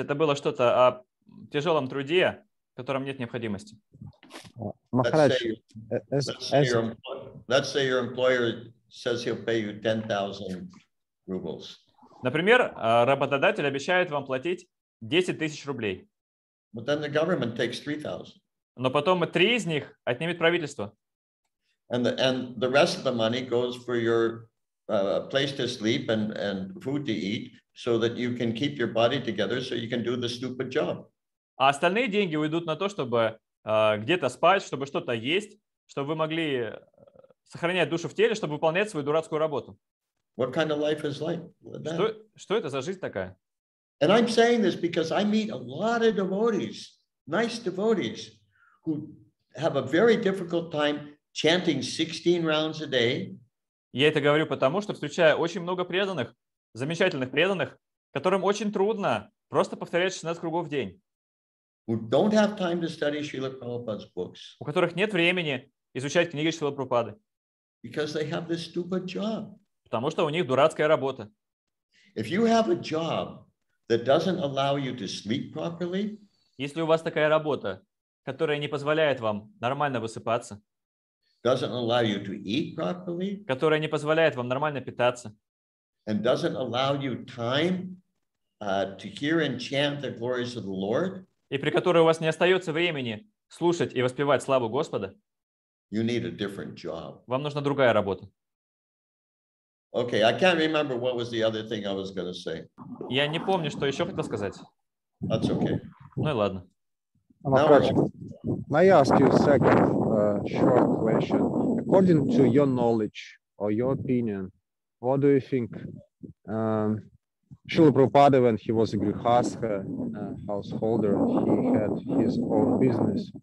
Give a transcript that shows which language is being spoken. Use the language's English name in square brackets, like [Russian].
[Russian] Это было что-то о тяжелом труде, в котором нет необходимости. [English] Let's say your employer says he'll pay you 10,000 rubles. [Russian] Например, работодатель обещает вам платить 10,000 рублей. [English] But then the government takes 3,000. [Russian] Но потом 3 из них отнимет правительство. [English] And the rest of the money goes for your place to sleep and food to eat, so that you can keep your body together, so you can do the stupid job. [Russian] А остальные деньги уйдут на то, чтобы где-то спать, чтобы что-то есть, чтобы вы могли сохранять душу в теле, чтобы выполнять свою дурацкую работу. [English] What kind of life is like that? [Russian] Что это за жизнь такая? [English] And I'm saying this because I meet a lot of devotees, nice devotees, who have a very difficult time chanting 16 rounds a day. [Russian] Я это говорю потому, что встречаю очень много преданных, замечательных преданных, которым очень трудно просто повторять 16 кругов в день. [English] Who don't have time to study Srila Prabhupada's books. [Russian] У которых нет времени изучать книги Шрилы Прабхупады. [English] Because they have this stupid job. [Russian] Потому что у них дурацкая работа. [English] If you have a job that doesn't allow you to sleep properly, [Russian] если у вас такая работа, которая не позволяет вам нормально высыпаться, [English] doesn't allow you to eat properly, [Russian] которая не позволяет вам нормально питаться, [English] and doesn't allow you time to hear and chant the glories of the Lord, [Russian] и при которой у вас не остается времени слушать и воспевать славу Господа, [English] you need a different job. [Russian] Вам нужна другая работа. [English] Okay, I can't remember what was the other thing I was going to say. [Russian] Я не помню, что еще хотел сказать. [English] That's okay. [Russian] Ну и ладно. [English] May I ask you a second short question? According to your knowledge or your opinion, what do you think Srila Prabhupada, when he was a grihastha householder, he had his own business.